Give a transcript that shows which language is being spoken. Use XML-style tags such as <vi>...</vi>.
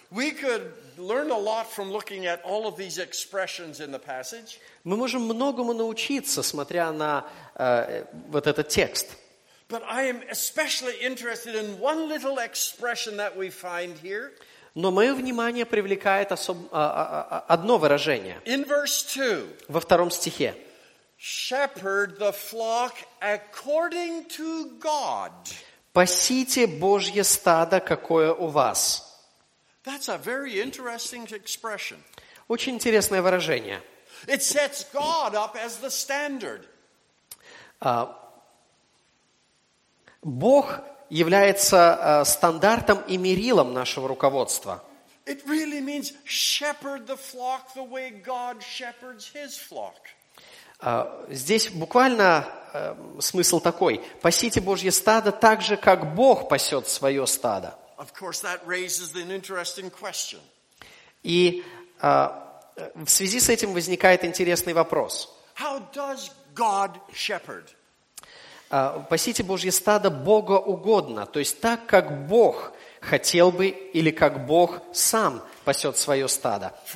<en>We could learn a lot from looking at all of these expressions in the passage.</en> <ru>Мы можем многому научиться, смотря на вот этот текст.</ru> <en>But I am especially interested in one little expression that we find here.</en> <ru>Но мое внимание привлекает одно выражение.</ru> <en>In verse 2.</en> <ru>Во втором стихе.</ru> <en>Shepherd the flock according to God.</en> <ru>Пасите Божье стадо, какое у вас.</ru> <en>That's a very interesting expression.</en> <ru>Очень интересное выражение.</ru> <en>It sets God up as the standard.</en> <ru>Бог является стандартом и мерилом нашего руководства.</ru> <en>It really means shepherd the flock the way God shepherds his flock.</en> <ru>Здесь буквально смысл такой. Пасите Божье стадо так же, как Бог пасет свое стадо.</ru> <en>Of course, that raises an interesting question.</en> <ru>И в связи с этим возникает интересный вопрос.</ru> <en>How does God shepherd?</en> <ru>Пасите Божье стадо Бога угодно, то есть так, как Бог хотел бы или как Бог сам пасет свое стадо.</ru>